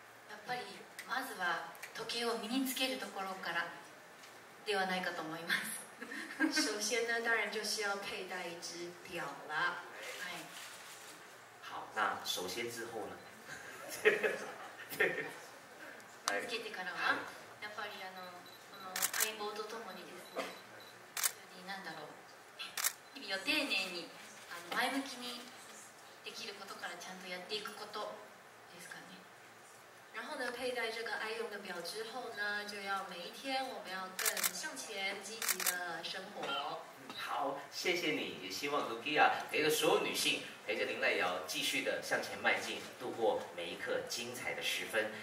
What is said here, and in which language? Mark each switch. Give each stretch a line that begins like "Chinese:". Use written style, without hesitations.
Japanese: やっぱりまずは時計を身につけるところからではないかと思います。
Chinese: 首先呢，当然就是要佩戴一只表了。哎，好，那首先之后呢？
Japanese: つけてからはやっぱりこの相棒とともにですね、なんだろう、日々を丁寧に前向きにできることからちゃんとやっていくこと。
Chinese: 然后呢，佩戴这个爱用的表之后呢，就要每一天我们要更向前，积极的生活。好，谢谢你，也希望 Lukia 陪着所有女性，陪着林濑遥继续的向前迈进，度过每一刻精彩的时分。